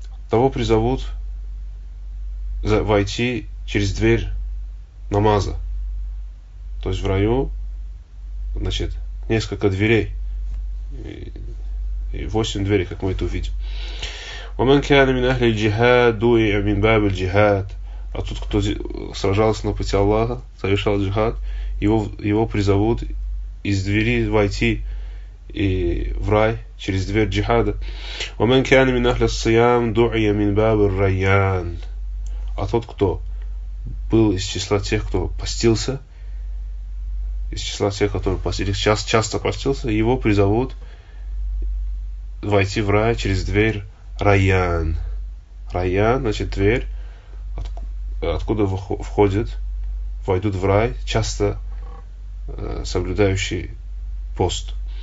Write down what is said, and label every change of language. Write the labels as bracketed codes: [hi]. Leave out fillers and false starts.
[ru] Того призовут войти через дверь намаза. То есть в раю, значит, несколько дверей. И 8 дверей, как мы это увидим. [ar] ومن كان من أهل الجهاد دوي من باب الجهاد. [ru] А тот, кто сражался на пути Аллаха, совершал джихад, его призовут из двери войти и в рай через дверь джихада. [ar] ومن كان من أهل الصيام دوي من باب الريان. [ru] А тот, кто был из числа тех, кто постился, из числа тех, которые постились, часто постился, его призовут войти в рай через дверь Райан. Райан, значит, дверь, откуда войдут в рай часто соблюдающий пост.